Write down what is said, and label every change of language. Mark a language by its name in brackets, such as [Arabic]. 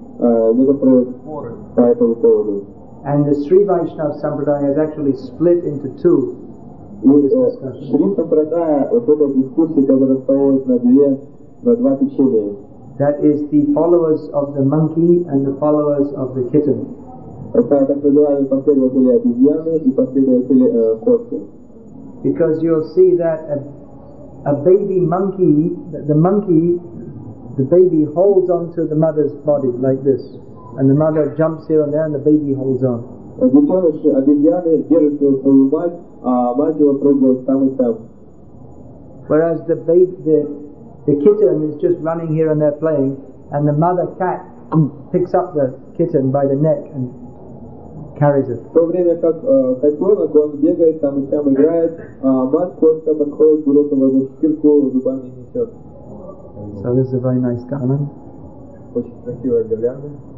[English] And the Sri Vaishnava Sampradaya is actually split into two in this discussion. That is the followers of the monkey and the followers of the kitten. [Russian] Это так называемые последователи обезьяны и последователи кошки. [English] Because you'll see that a baby monkey, the monkey, the baby holds onto the mother's body like this, and the mother jumps here and there, and the baby holds on. [Russian] Детеныш обезьяны держит свою мать, а мать его прыгает там и там. [English] Whereas the baby, the kitten is just running here and there playing, and the mother cat picks up the kitten by the neck and carries it. [Russian] В то время как котенок, он бегает там и там играет, а мать кошка подходит, берет его за шкирку, зубами несет. [English] So this is a very nice garland. [Russian] Очень красивая гирлянда.